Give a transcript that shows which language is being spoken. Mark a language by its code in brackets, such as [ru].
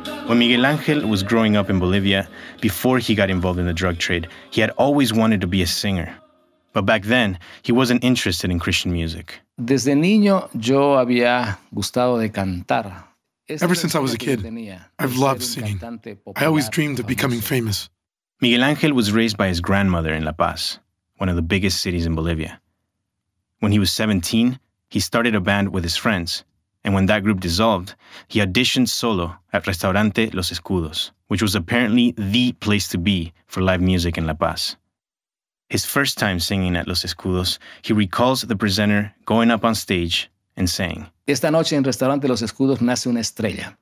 [en] When Miguel Ángel was growing up in Bolivia, before he got involved in the drug trade, he had always wanted to be a singer. But back then, he wasn't interested in Christian music. [es] Desde niño, yo había gustado de cantar. [en] Ever since I was a kid, I've loved singing. I always dreamed of becoming famous. Miguel Ángel was raised by his grandmother in La Paz, one of the biggest cities in Bolivia. When he was 17, he started a band with his friends. And when that group dissolved, he auditioned solo at Restaurante Los Escudos, which was apparently the place to be for live music in La Paz. His first time singing at Los Escudos, he recalls the presenter going up on stage and saying, [es] "Esta noche en Restaurante Los Escudos nace una estrella."